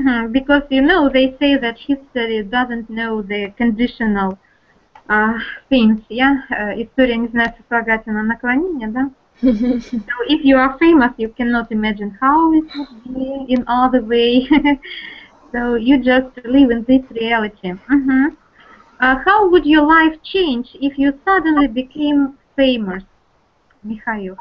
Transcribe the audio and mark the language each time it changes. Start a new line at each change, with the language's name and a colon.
English: Because you know they say that history doesn't know the conditional things.
Russian: История не знает сослагательного наклонения, да?
English: So if you are famous, you cannot imagine how it would be in other way. So you just live in this reality. How would your life change if you suddenly became famous, Mikhail?